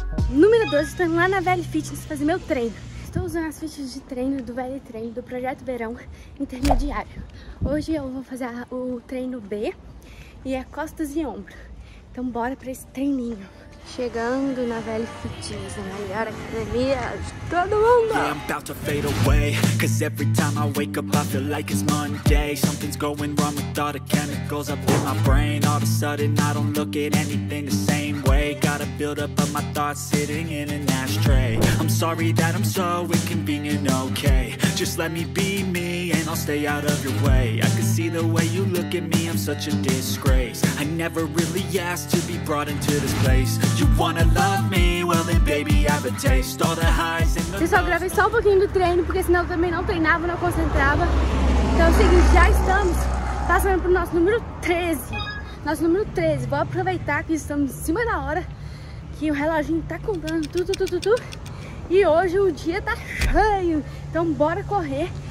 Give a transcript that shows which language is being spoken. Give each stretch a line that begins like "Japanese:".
Portuguese: Número 12, estou indo lá na Velha Fitness fazer meu treino. Estou usando as fichas de treino do Velha Treino, do Projeto Verão Intermediário. Hoje eu vou fazer o treino B e é costas e ombro. Então bora para esse treininho. Chegando na Velha Fitness, a melhor academia de todo mundo.
English: I'm about to fade away, cause every time I wake up I feel like it's Monday. Something's going wrong with all the chemicals up in my brain. All of a sudden I don't look at anything the same way. Gotta build up of my thoughts sitting in an ashtray. I'm sorry that I'm so inconvenient, okay. Just let me be me and I'll stay out of your way. I can see the way you look at me, I'm such a disgrace. I never really asked to be brought into this place. You wanna love me, well then baby I have a taste. All the highs and the lows.
Portuguese: Pessoal, gravei só um pouquinho do treino, porque senão eu também não treinava, não concentrava. Então é o seguinte, já estamos passando pro nosso número 13. Vou aproveitar que estamos em cima da hora, que o reloginho tá contando tu. E hoje o dia tá cheio, então bora correr.